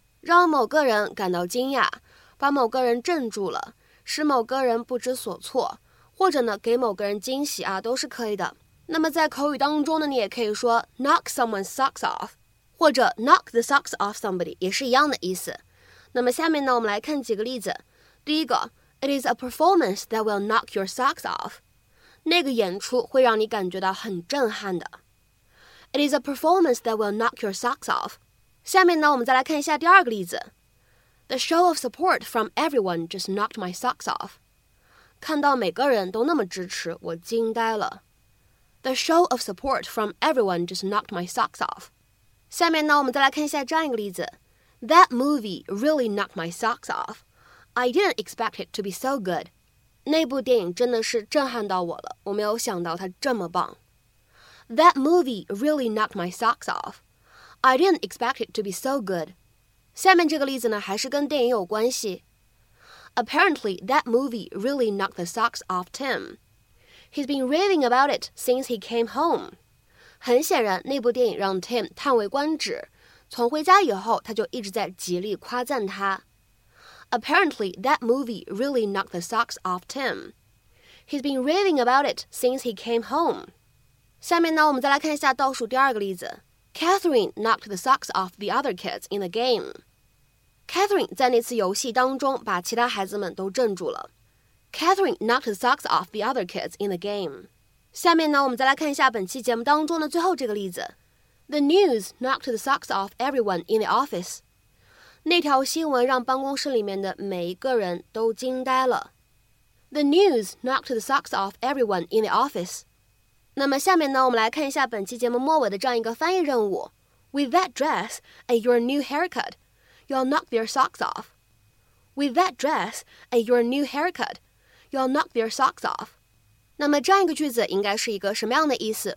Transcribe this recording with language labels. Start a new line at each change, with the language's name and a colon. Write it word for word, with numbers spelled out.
Chinese: 让某个人感到惊讶，把某个人镇住了，使某个人不知所措，或者呢给某个人惊喜啊，都是可以的。那么在口语当中呢，你也可以说
English: knock someone's socks off,
Chinese: 或者
English: knock the socks off somebody,
Chinese: 也是一样的意思。那么下面呢，我们来看几个例子。第一个
English: It is a performance that will knock your socks off.
Chinese: 那个演出会让你感觉到很震撼的。
English: It is a performance that will knock your socks off.
Chinese: 下面呢，我们再来看一下第二个例子。
English: The show of support from everyone just knocked my socks off.
Chinese: 看到每个人都那么支持，我惊呆了。
English: The show of support from everyone just knocked my socks off.
Chinese: 下面呢，我们再来看一下这样一个例子。
English: That movie really knocked my socks off. I didn't expect it to be so good.
Chinese: 那部电影真的是震撼到我了，我没有想到它这么棒。
English: That movie really knocked my socks off. I didn't expect it to be so good.
Chinese: 下面这个例子呢，还是跟电影有关系。
English: Apparently, that movie really knocked the socks off Tim. He's been raving about it since he came home.
Chinese: 很显然，那部电影让
English: Tim
Chinese: 叹为观止。从回家以后，他就一直在极力夸赞他。
English: Apparently, that movie really knocked the socks off Tim. He's been raving about it since he came home.
Chinese: 下面呢，我们再来看一下倒数第二个例子。
English: Catherine knocked the socks off the other kids in the game. Catherine
Chinese: 在那次游戏当中把其他孩子们都镇住了。
English: Catherine knocked the socks off the other kids in the game.
Chinese: 下面呢，我们再来看一下本期节目当中的最后这个例子。
English: The news knocked the socks off everyone in the office.
Chinese: 那条新闻让办公室里面的每一个人都惊呆了。
English: The news knocked the socks off everyone in the office.
Chinese: 那么下面呢，我们来看一下本期节目末尾的这样一个翻译任务。
English: With that dress and your new haircut, you'll knock their socks off. With that dress and your new haircut, you'll knock their socks off.
Chinese: 那么这样一个句子应该是一个什么样的意思？